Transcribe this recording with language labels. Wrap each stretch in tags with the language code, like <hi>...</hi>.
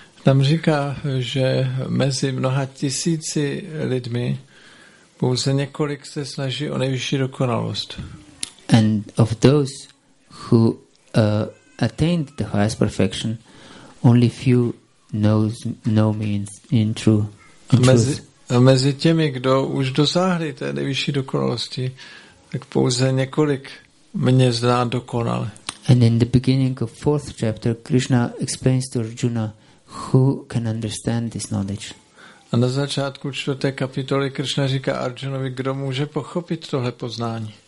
<cs>Tam říká, že mezi mnoha tisíci lidmi pouze několik se snaží o nejvyšší dokonalost.</cs> <en>And of those who attained the highest perfection only few know me in true.</en> <cs>Mezi těmi, kdo už dosáhli té nejvyšší dokonalosti, tak pouze několik mě zná dokonale.</cs> <en>And in the beginning of 4th chapter, Krishna explains to Arjuna who can understand this knowledge.</en> <cs>A na začátku čtvrté kapitoly Krishna říká Arjunovi, kdo může pochopit tohle poznání.</cs>